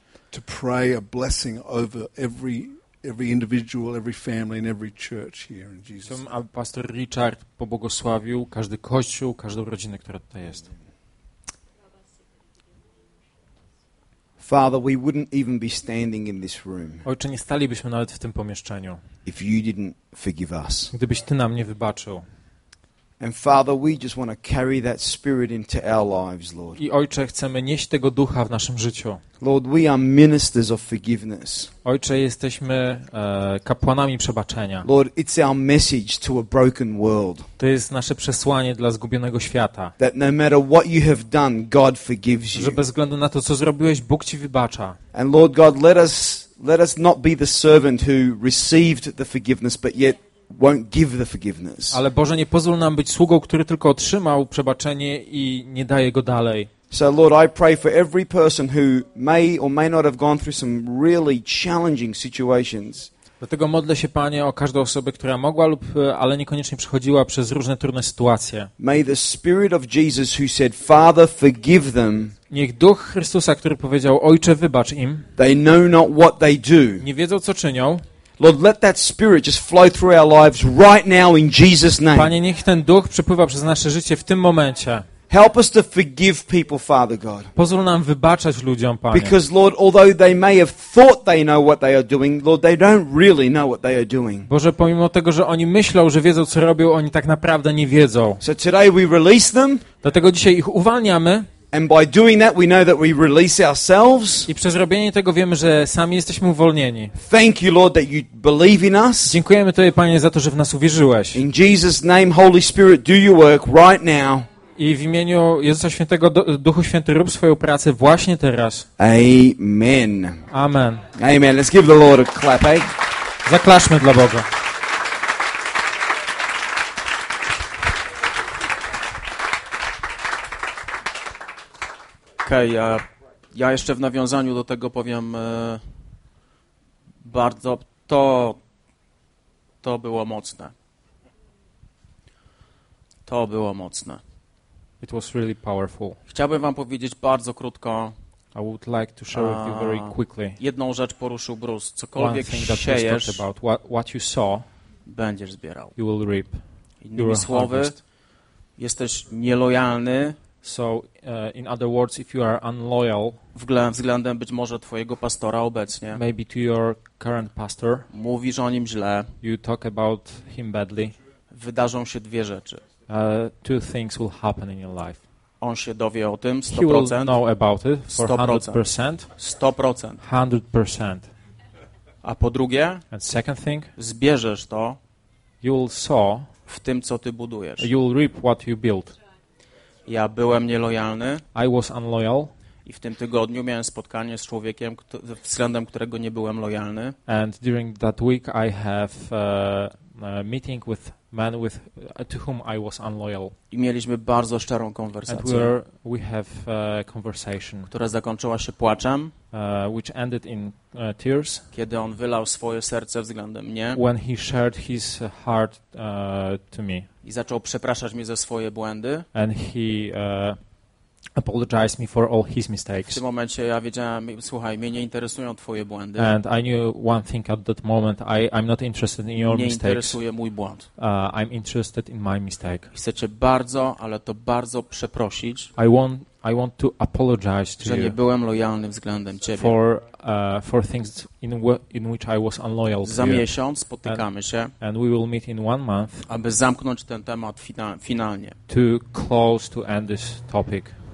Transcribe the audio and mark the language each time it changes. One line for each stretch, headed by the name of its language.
English: To pray a blessing over every individual, every family and every church here in Jesus.
Polish: Chciałbym, aby pastor Richard pobłogosławił każdy kościół, każdą rodzinę, która tutaj jest.
English: Father, we wouldn't even be standing in this room.
Polish: Ojcze, nie stalibyśmy nawet w tym pomieszczeniu.
English: If you didn't forgive us.
Polish: Gdybyś ty nam nie wybaczył.
English: And Father, we just want to carry that spirit into our lives, Lord.
Polish: I Ojcze, chcemy nieść tego ducha w naszym życiu.
English: Lord, we are ministers of forgiveness.
Polish: Ojcze, jesteśmy kapłanami przebaczenia.
English: Lord, it's our message to a broken world.
Polish: To jest nasze przesłanie dla zgubionego świata.
English: That no matter what you have done, God forgives you.
Polish: Że bez względu na to, co zrobiłeś, Bóg ci wybacza.
English: And Lord God, let us not be the servant who received the forgiveness, but yet won't give the forgiveness.
Polish: Ale Boże, nie pozwól nam być sługą, który tylko otrzymał przebaczenie i nie daje go dalej.
English: So Lord, I pray for every person who may or may not have gone through some really challenging situations.
Polish: Dlatego modlę się, Panie, o każdą osobę, która mogła lub ale niekoniecznie przechodziła przez różne trudne sytuacje.
English: May the Spirit of Jesus who said, Father, forgive them.
Polish: Niech Duch Chrystusa, który powiedział: Ojcze, wybacz im.
English: They know not what they do.
Polish: Nie wiedzą, co czynią.
English: Lord, let that Spirit just flow through our lives right now in Jesus' name.
Polish: Panie, niech ten Duch przepływa przez nasze życie w tym momencie.
English: Help us to forgive people, Father God.
Polish: Pozwól nam wybaczać ludziom, Panie.
English: Because Lord, although they may have thought they know what they are doing, Lord, they don't really know what they are doing.
Polish: Boże, pomimo tego, że oni myślą, że wiedzą, co robią, oni tak naprawdę nie wiedzą.
English: So today we release them.
Polish: Dlatego dzisiaj ich uwalniamy.
English: And by doing that, we know that we release ourselves.
Polish: I przez robienie tego wiemy, że sami jesteśmy uwolnieni.
English: Thank you, Lord, that you believe in us.
Polish: Dziękujemy Tobie, Panie, za to, że w nas uwierzyłeś.
English: In Jesus' name, Holy Spirit, do your work right now.
Polish: I w imieniu Jezusa Świętego, Duchu Święty, rób swoją pracę właśnie teraz. Amen. Amen. Amen.
English: Let's give the Lord a clap, eh?
Polish: Zaklaszmy dla Boga. Okej, ja jeszcze w nawiązaniu do tego powiem bardzo, to było mocne. To było mocne.
English: It was really powerful.
Polish: Chciałbym wam powiedzieć bardzo krótko.
English: I would like to share with you very quickly.
Polish: Jedną rzecz poruszył Bruce. Cokolwiek siejesz,
English: what you sow,
Polish: będziesz zbierał.
English: You will reap.
Polish: Innymi słowy, jesteś nielojalny.
English: So, in other words, if you are unloyal,
Polish: względem być może twojego pastora obecnie,
English: maybe to your current pastor,
Polish: mówisz o nim źle.
English: You talk about him badly.
Polish: Wydarzą się dwie rzeczy.
English: Two things will happen in your life.
Polish: On się dowie o tym 100%.
English: He will know about it for 100%. 100%. 100%.
Polish: A po drugie,
English: and second thing,
Polish: zbierzesz to,
English: you will sow
Polish: w tym, co ty budujesz.
English: You will reap what you build.
Polish: Ja byłem nielojalny.
English: I was unloyal.
Polish: I w tym tygodniu miałem spotkanie z człowiekiem, względem którego nie byłem lojalny.
English: And during that week I have a meeting with man with to whom I was unloyal.
Polish: I mieliśmy bardzo szczerą konwersację.
English: And we have a conversation,
Polish: która zakończyła się płaczem,
English: which ended in tears,
Polish: kiedy on wylał swoje serce względem mnie.
English: When he shared his heart to me.
Polish: I zaczął przepraszać mnie za swoje błędy.
English: And he apologized me for all his mistakes.
Polish: W tym momencie ja wiedziałem, słuchaj, mnie nie interesują twoje błędy.
English: And I knew one thing at that moment. I'm not interested in your mistakes.
Polish: Mnie interesuje mój błąd.
English: I'm interested in my mistake.
Polish: Chcę cię bardzo, ale to bardzo przeprosić.
English: I want to apologize to
Polish: że
English: you.
Polish: Nie byłem lojalny względem ciebie.
English: For things in which I was unloyal
Polish: za miesiąc spotykamy się.
English: And we will meet in one month.
Polish: Aby zamknąć ten temat finalnie.
English: To close to end this topic.